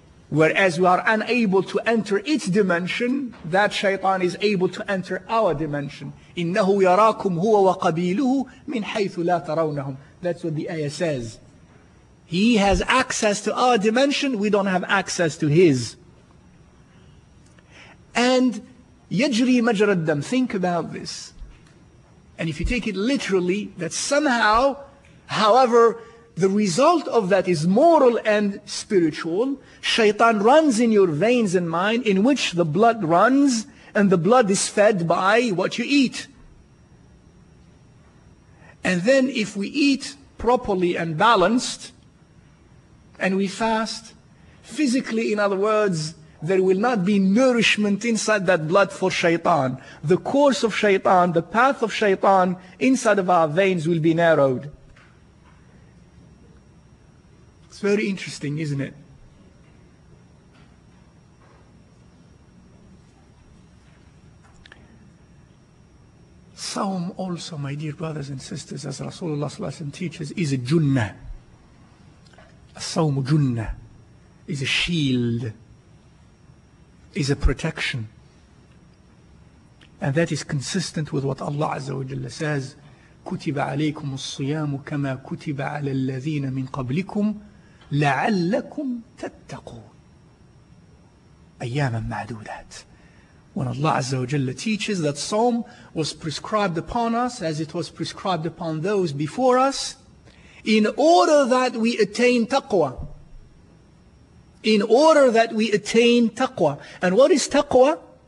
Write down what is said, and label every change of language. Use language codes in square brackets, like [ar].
[en] Whereas we are unable to enter its dimension, that shaitan is able to enter our dimension. [ar] إِنَّهُ يَرَاكُمْ هُوَ وَقَبِيلُهُ مِنْ حَيْثُ لَا تَرَوْنَهُمْ. [en] That's what the ayah says. He has access to our dimension, we don't have access to his. [ar] And يجري مجرى الدم. [en] Think about this. And if you take it literally, that somehow, however, the result of that is moral and spiritual. Shaitan runs in your veins and mind, in which the blood runs, and the blood is fed by what you eat. And then if we eat properly and balanced, and we fast, physically, in other words, there will not be nourishment inside that blood for shaitan. The course of shaitan, the path of shaitan inside of our veins will be narrowed. It's very interesting, isn't it? Sawm also, my dear brothers and sisters, as Rasulullah Sallallahu Alaihi Wasallam teaches, is a junnah. Sawm junnah is a shield, is a protection. And that is consistent with what Allah Azza wa Jalla says, [ar] كُتِبَ عَلَيْكُمُ الصِّيَامُ كَمَا كُتِبَ عَلَى الَّذِينَ مِنْ قَبْلِكُمْ لَعَلَّكُمْ تَتَّقُونَ أَيَّامًا مَعْدُودَاتٍ. [en] When Allah Azza wa Jalla teaches that Psalm was prescribed upon us as it was prescribed upon those before us, in order that we attain taqwa. In order that we attain taqwa. And what is taqwa?